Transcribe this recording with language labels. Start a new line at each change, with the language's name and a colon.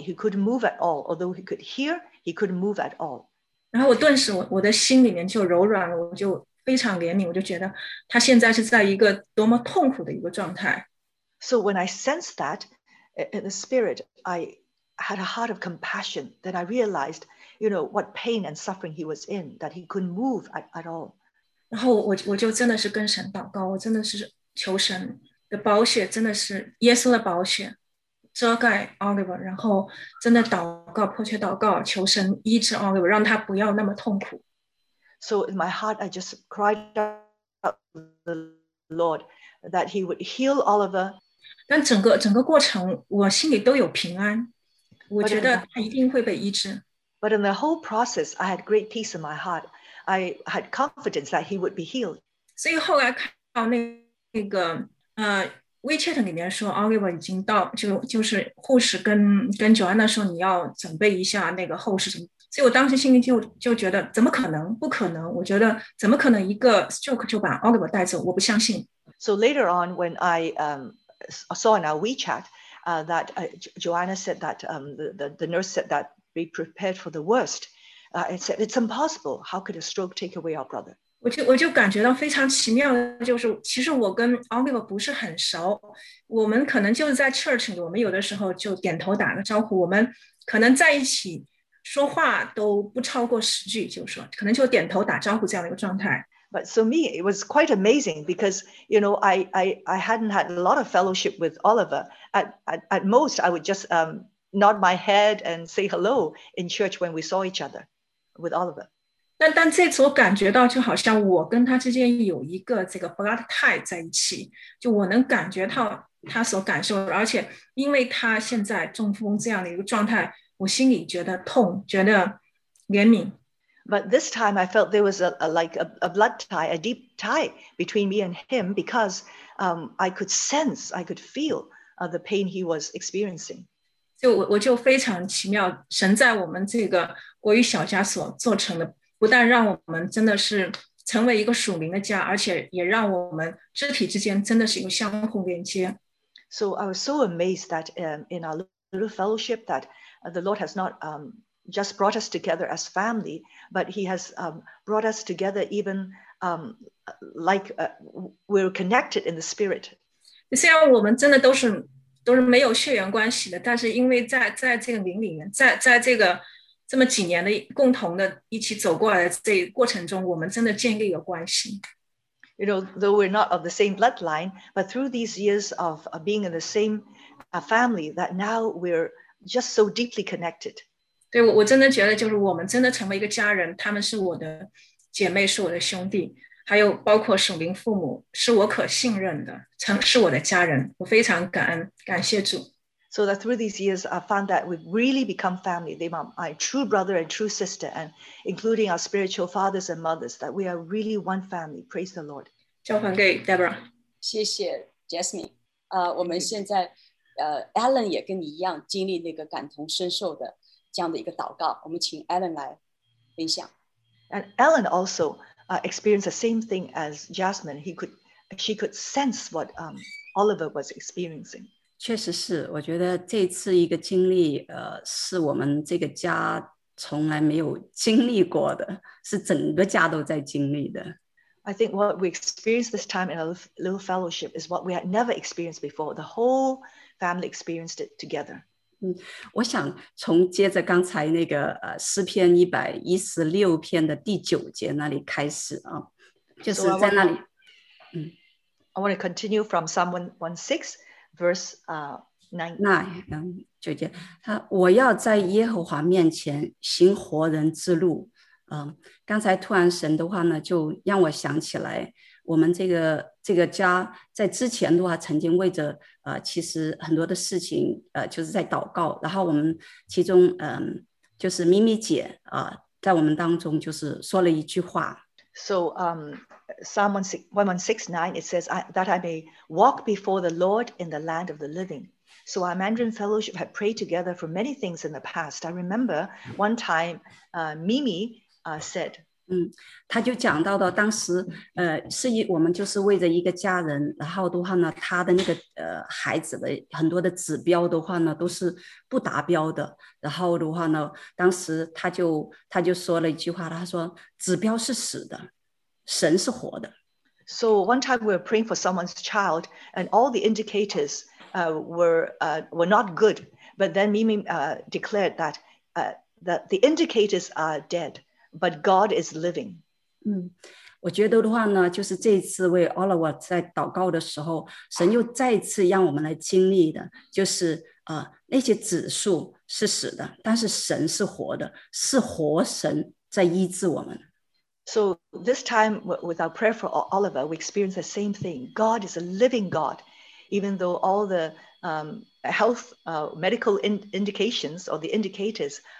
English: He couldn't move at all. Although he could hear, he couldn't move at all.
Chinese: 然后我顿时我的心里面就柔软了，我就非常怜悯，我就觉得他现在是在一个多么痛苦的一个状态。
English: So when I sensed that in the spirit, I had a heart of compassion. Then I realized, you know, what pain and suffering he was in, that he couldn't move at all.
Chinese: 然后我就真的是跟神祷告，我真的是求神的宝血，真的是耶稣的宝血遮盖 Oliver， 然后真的祷告，迫切祷告，求神医治 Oliver， 让他不要那么痛苦。
English: So in my heart, I just cried out to the Lord that he would heal Oliver.
Chinese: 但整个过程我心里都有平安，我觉得他一定会被医治。
English: But in the whole process, I had great peace in my heart. I had confidence that he would be healed.
Chinese: 所以后来看到那个WeChat 里面说 Oliver 已经到，就是护士跟 Joanna 说你要准备一下那个后事。所以我当时心里就觉得怎么可能，不可能，我觉得怎么可能一个 stroke 就把 Oliver 带走，我不相信。
English: So later on when I saw in our WeChat that Joanna said that the nurse said that be prepared for the worst. It said it's impossible. How could a stroke take away our brother?
Chinese: 我就感觉到非常奇妙的，就是其实我跟 Oliver 不是很熟，我们可能就是在 church 里，我们有的时候就点头打个招呼，我们可能在一起说话都不超过十句，就是说可能就点头打招呼这样的一个状态。
English: But so me, it was quite amazing because, you know, I hadn't had a lot of fellowship with Oliver. At most, I would just nod my head and say hello in church when we saw each other with Oliver.
Chinese: 但这次我感觉到就好像我跟他之间有一个这个 blood tie 在一起，就我能感觉到他所感受，而且因为他现在中风这样的一个状态，我心里觉得痛，觉得怜悯。
English: But this time I felt there was a blood tie, a deep tie between me and him because I could sense, I could feel the pain he was experiencing.
Chinese: 就我非常奇妙，神在我们这个国语小家所做成的，不但让我们真的是成为一个属灵的家，而且也让我们肢体之间真的是有相互连接。
English: So I was so amazed that in our little fellowship that the Lord has not just brought us together as family, but he has brought us together even like we're connected in the spirit.
Chinese: 虽然我们真的都是没有血缘关系的，但是因为在这个灵里面，在这个这么几年的共同的一起走过来的这过程中，我们真的建立了关系。
English: You know, though we're not of the same bloodline, but through these years of being in the same family, that now we're just so deeply connected.
Chinese: 对，我真的觉得就是我们真的成为一个家人，他们是我的姐妹，是我的兄弟，还有包括属灵父母，是我可信任的，是我的家人，我非常感恩，感谢主。
English: So that through these years, I found that we've really become family. They are my true brother and true sister, and including our spiritual fathers and mothers, that we are really one family. Praise the Lord.
Chinese: 交还给 Deborah. 谢谢 Jasmine. 我们现在 Alan 也跟你一样经历那个感同身受的这样的一个祷告，我们请 Alan 来分享。
English: And Alan also experienced the same thing as Jasmine. She could sense what Oliver was experiencing.
Chinese: 确实是，我觉得这次一个经历是我们这个家从来没有经历过的，是整个家都在经历的。
English: I think what we experienced this time in a little fellowship is what we had never experienced before. The whole family experienced it together.
Chinese: 我想从接着刚才那个诗篇116篇的第九节那里开始啊，就是在那里。
English: I want to continue from Psalm 116 verse
Chinese: 9, 9，我要在耶和华面前行活人之路。刚才突然神的话呢，就让我想起来我们这个家在之前的话曾经为着其实很多的事情就是在祷告，然后我们其中就是咪咪姐在我们当中就是说了一句话。
English: So, Psalm 116:9, it says that I may walk before the Lord in the land of the living. So our Mandarin Fellowship had prayed together for many things in the past. I remember one time, Mimi said,
Chinese: 他就讲到的当时是以我们就是为着一个家人，然后的话呢他的那个孩子的很多的指标的话呢都是不达标的，然后的话呢当时他就说了一句话，他说指标是死的，神是活的。
English: So one time we were praying for someone's child and all the indicators were not good, but then Mimi declared that the indicators are deadBut God is living.
Chinese: 我觉得的话呢，就是这一次为
English: all of us
Chinese: 在祷告的时候，神又再一次让我们来经历的，就是那些指数是死的，但是神是活的，是活神在医治我们。
English: So this time, with our prayer for Oliver, we experience the same thing. God is a living God, even though all the health medical indications or the indicators.